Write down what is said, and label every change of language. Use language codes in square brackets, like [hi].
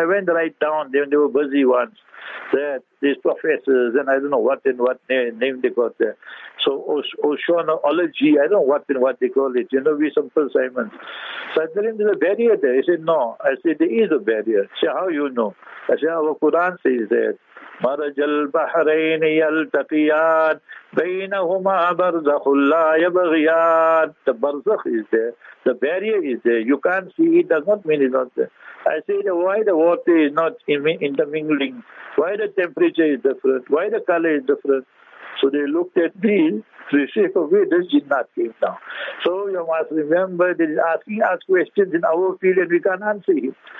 [en] I went right down, then they were busy ones, that these professors, and I don't know what and what name they got there. So oceanology, I don't know what and what they call it. You know, we simple Simon. So I tell him, there's a barrier there. He said, no. I said, there is a barrier. He said, how you know? I said, our Quran says that. [ar] مرج البحرين يلتقيان بينهما برزخ لا يبغيان. [en] The barzakh is there. The barrier is there. You can't see it. Does not mean it's not there. I say, why the water is not intermingling? Why the temperature is different? Why the color is different? So they looked at me. They say, okay, this jinnat came down. So you must remember, they're asking us questions in our field and we can't answer it.